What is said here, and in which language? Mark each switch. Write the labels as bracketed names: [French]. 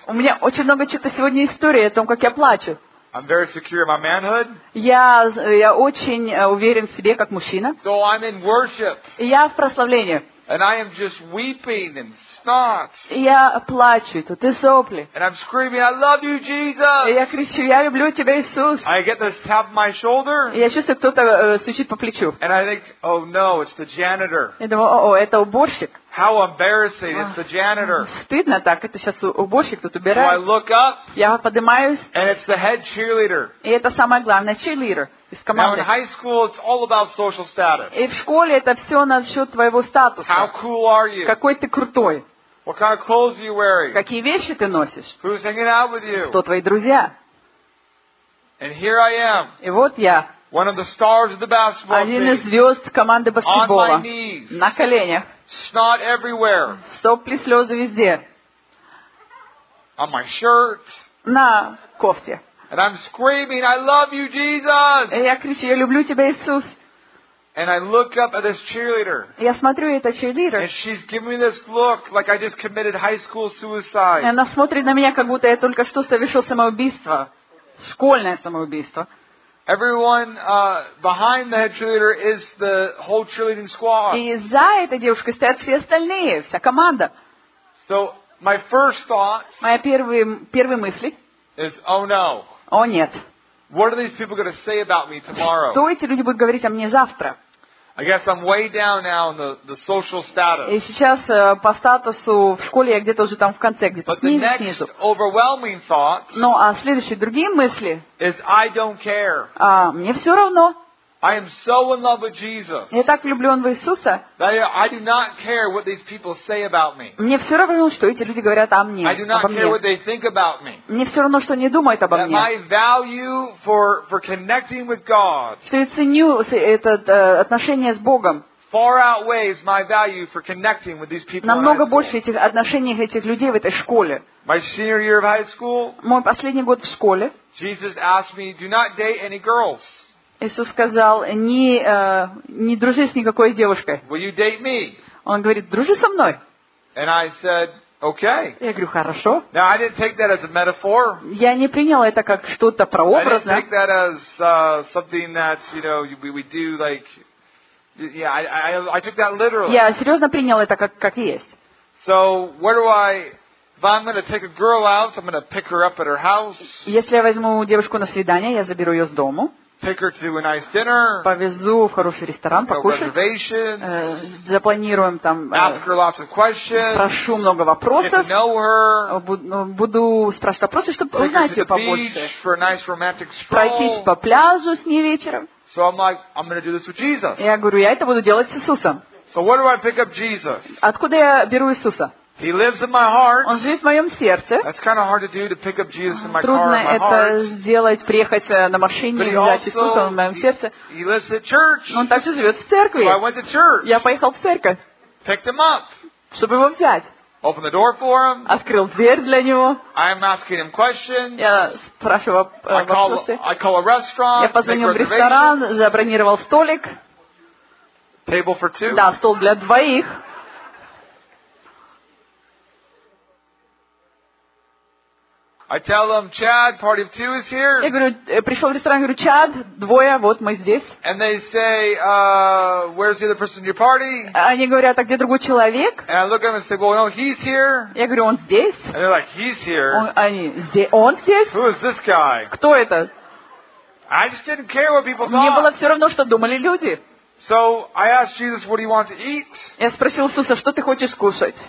[Russian] У меня очень много чего-то сегодня истории о том, как я плачу. [English] I'm very secure in my manhood. [Russian] Я очень уверен в себе как мужчина. [English] So I'm in worship. [Russian] Я в прославлении. [English] And I am just weeping and snot. [Russian] Я плачу, тут и сопли. [English] And I'm screaming, I love you, Jesus. [Russian] Я кричу, я люблю тебя, Иисус. [English] I get this tap on my shoulder. [Russian] Я чувствую, кто-то стучит по плечу. [English] And I think, oh no, it's the janitor. [Russian] Я думаю, о, это уборщик. [English] How embarrassing, it's the janitor. [Russian] Стыдно так, это сейчас уборщик тут убирает. [English] So I look up. [Russian] Я поднимаюсь. [English] And it's the head cheerleader. [Russian] И это самое главное, cheerleader. [English] Now in high school it's all about social status. [Russian] И в школе это все насчет твоего статуса. [English] How cool are you? [Russian] Какой ты крутой. [English] What kind of clothes are you wearing? [Russian] Какие вещи ты носишь? [English] Who's hanging out with you? [Russian] Кто твои друзья? [English] And here I am. [Russian] И вот я. [English] One of the stars of the basketball team. [Russian] Один из звезд команды баскетбола. [English] On my knees. [Russian] На коленях. [English] Snot everywhere. [Russian] Сопли, слезы везде. [English] On my shirt. [Russian] На кофте. [English] And I'm screaming, I love you, Jesus! [Russian] Я кричу, я люблю тебя, Иисус! [English] And I look up at this cheerleader. [Russian] Я смотрю на эту cheerleader. [English] And she's giving me this look like I just committed high school suicide. [Russian] И она смотрит на меня, как будто я только что совершил самоубийство, школьное самоубийство. [English] Everyone behind the head cheerleader is the whole cheerleading squad. [Russian] И за этой девушкой стоят все остальные, вся команда. [English] So my first thought. [Russian] Моя первая мысль. [English] Is oh no. [Russian] О нет. [English] What are these people going to say about me tomorrow? [Russian] Что эти люди будут говорить о мне завтра? [English] I guess I'm way down now in the social status. [Russian] И сейчас по статусу в школе я где-то уже там в конце где-то снизу. [English] Overwhelming thought. [Russian] Ну а следующие другие мысли. [English] Is I don't care. [Russian] А мне все равно. [English] I am so in love with Jesus. [Russian] Я так влюблен в Иисуса. [English] I do not care what these people say about me. [Russian] Мне все равно, что эти люди говорят о мне. [English] I do not care what they think about me. [Russian] Мне все равно, что они думают обо мне. [English] My value for connecting with God. [Russian] Что я ценю это отношение с Богом. [English] Far outweighs my value for connecting with these people. [Russian] Намного больше этих отношений этих людей в этой школе. [English] My senior year of high school. [Russian] Мой последний год в школе. [English] Jesus asked me, "Do not date any girls." [Russian] Иисус сказал, не дружи с никакой девушкой. [English] Will you date me? [Russian] Он говорит, дружи со мной. [English] And I said, okay. [Russian] Я говорю, хорошо. [English] Now, I didn't take that as a metaphor. [Russian] Я не принял это как что-то прообразное. [English] I didn't take that as something that, you know, we do like, yeah, I took that literally. [Russian] Я серьезно принял это как есть. [English] So, where do I... If I'm going to take a girl out, I'm going to pick her up at her house. [Russian] Если я возьму девушку на свидание, я заберу ее с дому. [English] Take her to a nice dinner. [Russian] Повезу в хороший ресторан, покушать. [English] No reservations. [Russian] Запланируем там. [English] Ask her lots of questions. [Russian] Прошу много вопросов. [English] Get to know her. [Russian] Буду спрашивать вопросы, чтобы узнать ее побольше. [English] Take her to the beach for a nice romantic stroll. [Russian] Пройтись по пляжу с ней вечером. [English] So I'm like, I'm going to do this with Jesus. [Russian] Я говорю, я это буду делать с Иисусом. [English] So where do I pick up Jesus? [Russian] Откуда я беру Иисуса? [English] He lives in my heart. [Russian] Он живет в моем сердце. [English] That's kind of hard to do to pick up Jesus in my car. [Russian] Трудно это [English] heart. [Russian] Сделать, приехать на машине и взять Иисуса в моем сердце. [English] He lives at church. [Russian] Он также живет в церкви. [English] So I went to church. [Russian] Я поехал в церковь. [English] Picked him up. [Russian] Чтобы его взять. [English] Opened the door for him. [Russian] Открыл дверь для него. [English] I am asking him questions. [Russian] Я спрашиваю вопросы. [English] I call a restaurant. [Russian] Я позвонил в ресторан, забронировал столик. [English] Table for two. [Russian] Да, стол для двоих. [English] I I tell them, Chad, party of two is here. [Russian] Я говорю, пришел в ресторан, говорю, Чад, двое, вот мы здесь. [English] And they say, where's the other person in your party? [Russian] Они говорят, а где другой человек? [English] And I look at them and say, well, no, he's here. [Russian] Я говорю, он здесь. [English] And they're like, he's here. [Russian] Он здесь? [English] Who is this guy? [Russian] Кто это? [English] I just didn't care what people thought. [Russian] Мне было все равно, что думали люди. [English] So I asked Jesus, what do you want to eat? [Russian] Я спросил Иисуса, что ты хочешь кушать?